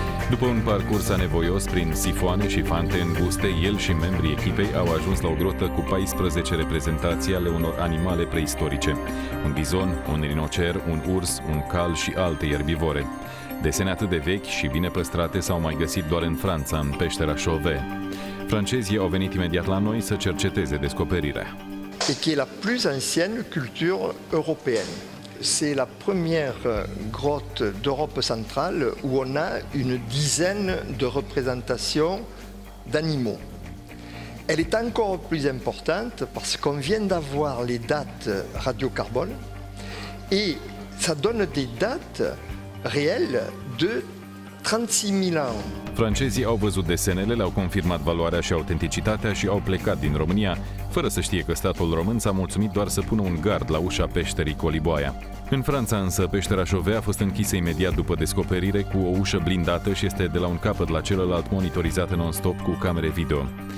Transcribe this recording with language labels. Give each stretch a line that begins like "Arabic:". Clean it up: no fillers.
Romanian: După un parcurs anevoios prin sifoane și fante înguste, el și membrii echipei au ajuns la o grotă cu 14 reprezentații ale unor animale preistorice. Un bizon, un rinocer, un urs, un cal și alte ierbivore. Desene atât de vechi și bine păstrate s-au mai găsit doar în Franța, în peștera Chauvet. Francezii au venit imediat la noi să cerceteze descoperirea.
French: Este la plus ancienne culture europeană. C'est la première grotte d'Europe centrale où on a une dizaine de représentations d'animaux. Elle est encore plus importante parce qu'on vient d'avoir les dates radiocarbone et ça donne des dates réelles de
Romanian: 36.000 ani. Francezii au văzut desenele, le-au confirmat valoarea și autenticitatea și au plecat din România, fără să știe că statul român s-a mulțumit doar să pună un gard la ușa peșterii Coliboaia. În Franța însă, peștera Chauvet a fost închisă imediat după descoperire, cu o ușă blindată, și este de la un capăt la celălalt monitorizată non-stop cu camere video.